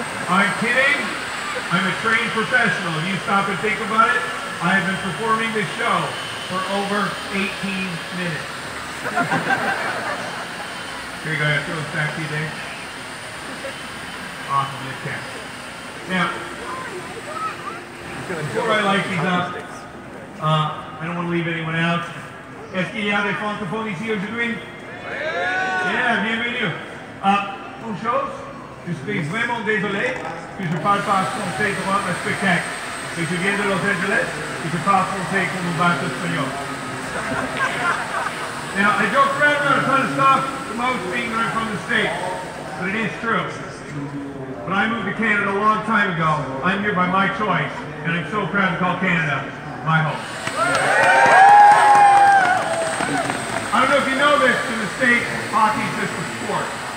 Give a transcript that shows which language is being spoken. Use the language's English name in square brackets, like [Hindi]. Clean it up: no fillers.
[English] I'm kidding. I'm a trained professional. If you stop and think about it, I have been performing this show for over 18 minutes. Here you go, I'll throw this back to you, Dave. Awesome, you can. Now, before I light these up, I don't want to leave anyone out. [French] Est-ce qu'il y a des francophones ici aujourd'hui? Yeah, bienvenue. Une chose, je suis vraiment désolé que je parle pas français devant le spectacle. Je viens de Los Angeles et je parle français comme un bateau espagnol. [English] Now, I joke around about a ton of stuff, the most being that I'm from the States. But it is true. But I moved to Canada a long time ago. I'm here by my choice, and I'm so proud to call Canada my home. I don't know if you know this, in the States, hockey is just a sport.